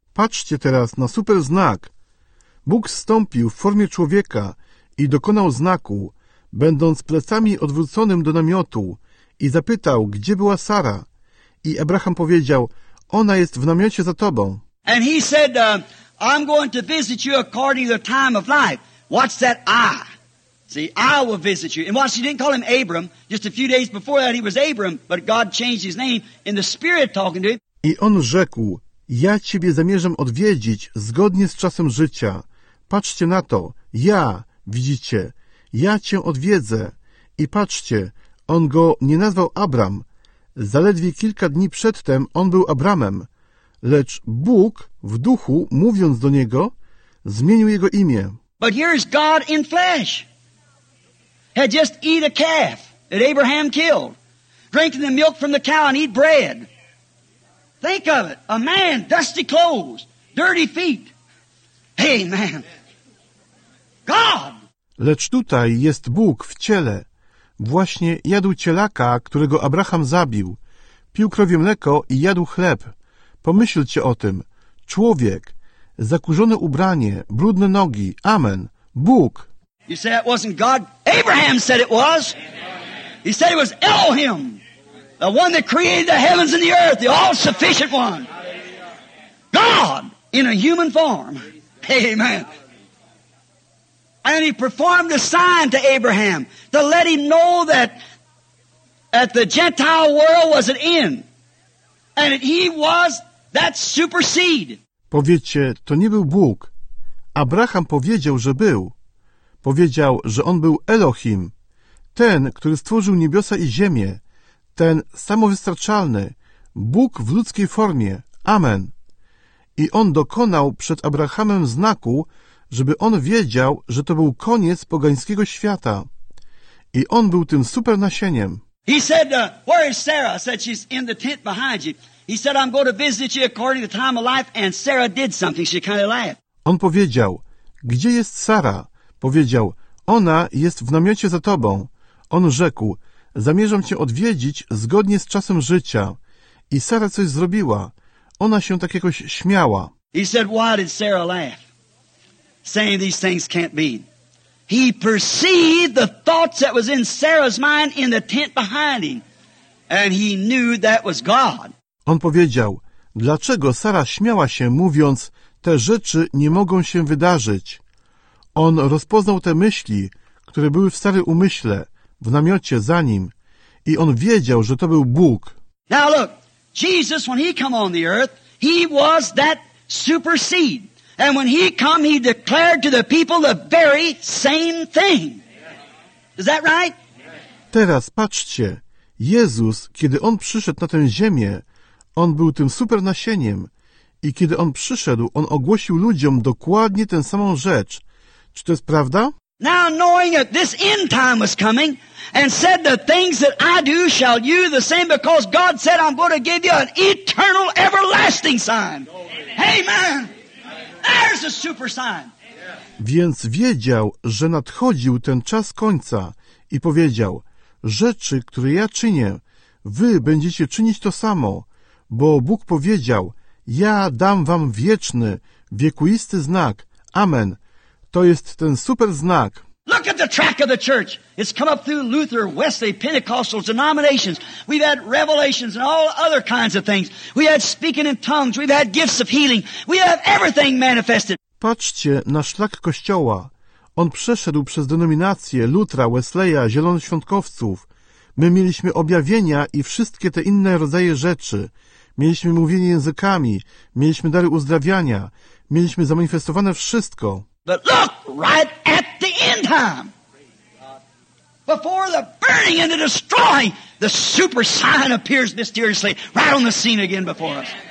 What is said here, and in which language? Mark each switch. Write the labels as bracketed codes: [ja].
[pl] Patrzcie teraz na super znak. Bóg zstąpił w formie człowieka i dokonał znaku, będąc plecami odwróconym do namiotu i zapytał, gdzie była Sara. I Abraham powiedział, ona jest w namiocie za tobą. [en] And he said, I'm going to visit you according to the time of life. Watch that eye. See, I will visit you. And while she didn't call him Abram, just a few days before that he was Abram, but God changed his name in the spirit talking to him. [pl] I on rzekł, ja ciebie zamierzam odwiedzić zgodnie z czasem życia. Patrzcie na to, ja, widzicie, ja cię odwiedzę. I patrzcie, on go nie nazwał Abram. Zaledwie kilka dni przedtem on był Abramem. Lecz Bóg w duchu, mówiąc do niego, zmienił jego imię. [en] But here is God in flesh. Had just eat a calf that Abraham killed, drinking the milk from the cow and eat bread. Think of it, a man, dusty clothes, dirty feet. Hey, man. God! [pl] Lecz tutaj jest Bóg w ciele. Właśnie jadł cielaka, którego Abraham zabił. Pił krowie mleko i jadł chleb. Pomyślcie o tym. Człowiek, zakurzone ubranie, brudne nogi. Amen. Bóg! [en] You say it wasn't God? Abraham said it was. He said it was Elohim, the one that created the heavens and the earth, the all-sufficient one. God in a human form. Amen. And he performed a sign to Abraham to let him know that the Gentile world was at end. And that he was that super seed. [pl] Powiedzcie, to nie był Bóg. Abraham powiedział, że był. Powiedział, że on był Elohim, ten, który stworzył niebiosa i ziemię, ten samowystarczalny, Bóg w ludzkiej formie. Amen. I on dokonał przed Abrahamem znaku, żeby on wiedział, że to był koniec pogańskiego świata. I on był tym super nasieniem. [en] He said, where is Sarah? I said, she's in the tent behind you. He said, I'm going to visit you according to the time of life. And Sarah did something. She kind of laughed. [pl] On powiedział, gdzie jest Sara? Powiedział, ona jest w namiocie za tobą. On rzekł, zamierzam cię odwiedzić zgodnie z czasem życia. I Sara coś zrobiła. Ona się tak jakoś śmiała. [en] He said, why did Sarah laugh? Saying these things can't be. He perceived the thoughts that was in Sarah's mind in the tent behind him. And he knew that was God. [pl] On powiedział, dlaczego Sara śmiała się, mówiąc, te rzeczy nie mogą się wydarzyć. On rozpoznał te myśli, które były w starym umyśle, w namiocie za nim, i on wiedział, że to był Bóg. [en] Now look, Jesus, when he come on the earth, he was that super seed. And when he come, he declared to the people the very same thing. Is that right? [pl] Teraz patrzcie, Jezus, kiedy on przyszedł na tę ziemię, on był tym super nasieniem, i kiedy on przyszedł, on ogłosił ludziom dokładnie tę samą rzecz. Czy to jest prawda? [en] Now knowing that this end time was coming and said the things that I do shall you the same because God said I'm going to give you an eternal everlasting sign. Amen. Amen. There's a super sign. [pl] Więc wiedział, że nadchodził ten czas końca i powiedział, rzeczy, które ja czynię, wy będziecie czynić to samo, bo Bóg powiedział, ja dam wam wieczny, wiekuisty znak. Amen. To jest ten super znak. [en] Look at the track of the church. It's come up through Luther, Wesley, Pentecostals, denominations. We've had revelations and all other kinds of things. We had speaking in tongues. We've had gifts of healing. We have everything manifested. [pl] Patrzcie na szlak Kościoła. On przeszedł przez denominacje Lutra, Wesleya, zielonoświątkowców. My mieliśmy objawienia i wszystkie te inne rodzaje rzeczy. Mieliśmy mówienie językami, mieliśmy dary uzdrawiania, mieliśmy zamanifestowane wszystko. [en] But look right at the end time. Before the burning and the destroying, the super sign appears mysteriously right on the scene again before us.